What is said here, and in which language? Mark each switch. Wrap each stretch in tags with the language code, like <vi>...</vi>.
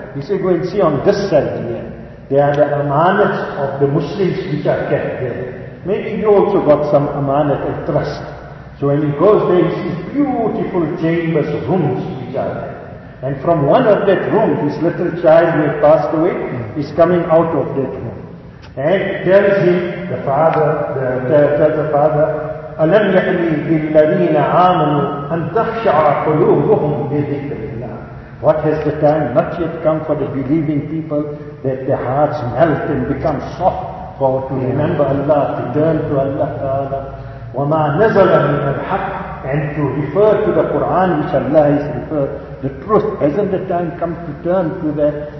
<en>He said, go and see on this side here. There are the amanats of the Muslims which are kept there. Maybe you also got some amanat and trust. So when he goes there, he sees beautiful chambers, rooms which are there. And from one of that room, his little child who had passed away, is coming out of that room. And tells him, the father,</en> <ar>tells the father, أَلَمْ يَعْنِي بِالَّذِينَ عَامَنُوا أَنْ تَخْشَعَ قُلُوبُهُمْ بِذِكْرِ اللَّهِ.</ar> <en>What has the time not yet come for the believing people that their hearts melt and become soft for to remember Allah, to turn to Allah Ta'ala.</en> <ar>وَمَا نَزَلَ مِنَ الْحَقِّ.</ar> <en>And to refer to the Quran which Allah has referred, the truth, hasn't the time come to turn to that?</en>